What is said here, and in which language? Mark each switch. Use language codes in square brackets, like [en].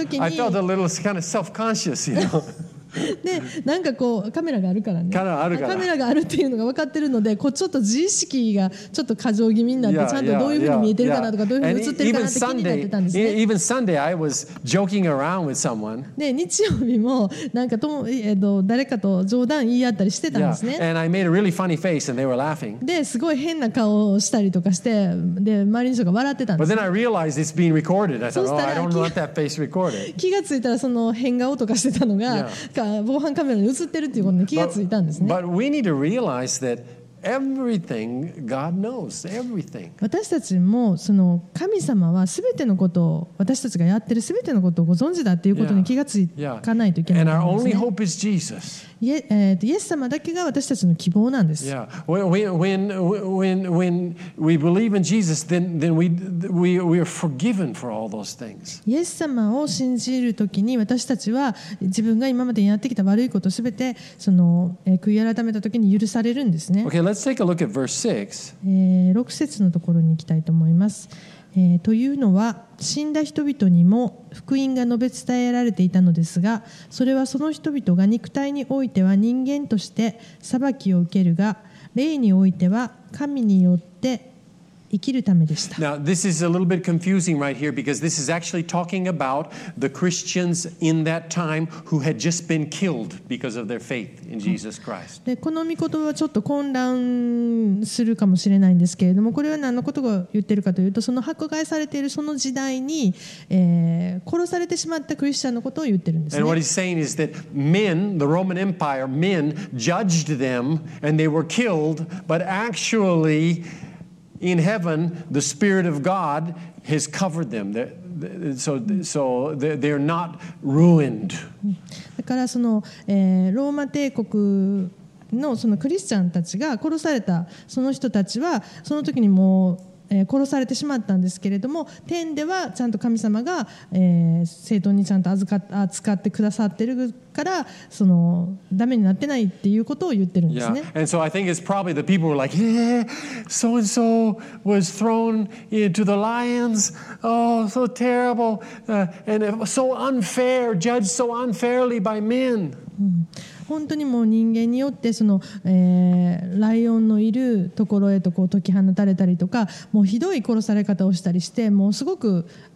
[en] felt a little kind of self-conscious, you know. [ja] でなんかこうカメラがあるからね。カメラあるから。カメラがあるっていうのが分かってるので、こうちょっと自意識がちょっと過剰気味になって、ちゃんとどういうふうに見えてるかなとか、どういうふうに映ってるかなって気になってたんですね。 [en] Even Sunday, I was joking around with someone. [ja] で日曜日もなんか誰かと冗談言い合ったりしてたんですね。 [en] Yeah. And I made a really funny face, and they were laughing. [ja] ですごい変な顔をしたりとかして、で周りの人が笑ってたんです。 [en] But then I realized it's being recorded. I thought, oh, I don't want that face recorded. [ja] 気がついたらその変顔とかしてたのが。 [en] Yeah. [ja] 防犯カメラに映ってるっていうことに気がついたんですね。 [en] but we need to realize that everything God knows, everything. [ja] 私たちもその神様は全てのことを私たちがやってる全てのことをご存知だっていうことに気がつかないといけないんですね。 [en] And our only hope is Jesus. [ja] イエス様だけが私たちの希望なんです。 [en] When we believe in Jesus, then we are forgiven for all those things. [ja] イエス様を信じるときに私たちは自分が今までやってきた悪いことすべてその悔い改めたときに許されるんですね。 [en] Okay, let's take a look at verse 6. [ja] 6節のところに行きたいと思います。というのは死んだ人々にも福音が述べ伝えられていたのですが、それはその人々が肉体においては人間として裁きを受けるが、霊においては神によって生きるためでした。 [en] Now this is a little bit confusing right here because this is actually talking about the Christians in that time who had just been killed because of their faith in Jesus Christ. [ja] で、この御言葉はちょっと混乱するかもしれないんですけれども、これは何のことを言ってるかというと、その迫害されているその時代に、殺されてしまったクリスチャンのことを言ってるんですね。 [en] And what he's saying is that men, the Roman Empire, men judged them and they were killed, but actually,In heaven, the Spirit of God has covered them. So they're not ruined. [ja] だからその、ローマ帝国のそのクリスチャンたちが殺されたその人たちはその時にもう殺されてしまったんですけれども、天ではちゃんと神様が、正当にちゃんと扱ってくださってるから、そのダメになってないっていうことを言ってるんですね。 [en] Yeah. And so I think it's probably the people were like, yeah, so and so was thrown into the lions. Oh, so terrible. And it was so unfair, judged so unfairly by men. [ja] 本当にもう人間によってその、ライオンのいるところへとこう解き放たれたりとか、もうひどい殺され方をしたりして、もうすごく